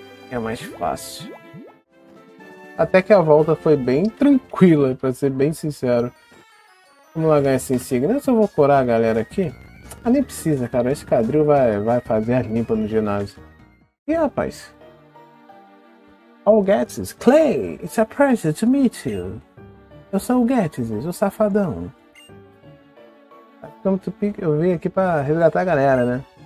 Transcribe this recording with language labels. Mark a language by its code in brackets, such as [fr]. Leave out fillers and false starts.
[pt] É mais fácil. Até que a volta foi bem tranquila, pra ser bem sincero. Vamos lá ganhar essa insígnia. Eu só vou curar a galera aqui. Ah, nem precisa, cara. Esse quadril vai fazer a limpa no ginásio. E rapaz? All Getzes. [en] Clay, it's a pleasure to meet you. [pt] Eu sou o Getzes, o safadão. Eu vim aqui pra resgatar a galera, né?